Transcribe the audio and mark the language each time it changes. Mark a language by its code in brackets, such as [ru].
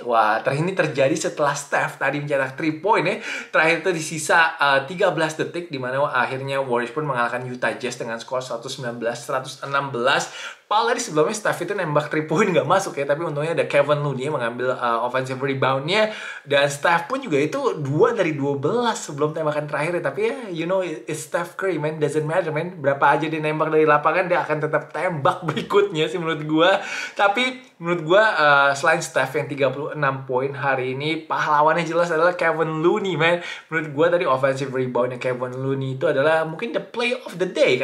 [id] Wah, ini terjadi setelah Steph tadi mencetak 3 poin ya. Terakhir itu di sisa 13 detik di mana akhirnya Warriors pun mengalahkan Utah Jazz dengan skor 119-116. Paul tadi sebelumnya Steph itu nembak 3 point nggak masuk ya, tapi untungnya ada Kevin Looney yang mengambil offensive rebound-nya. Dan Steph pun juga itu 2 dari 12 sebelum tembakan terakhir. Tapi ya, [en] you know, it's Steph Curry, man. Doesn't matter, man. [id] Berapa aja dia nembak dari lapangan, dia akan tetap tembak berikutnya sih menurut gue. Tapi menurut gue, selain Steph yang 36 poin hari ini, pahlawannya jelas adalah Kevin Looney, man. Menurut gue tadi offensive rebound-nya Kevin Looney itu adalah mungkin [en] the play of the day.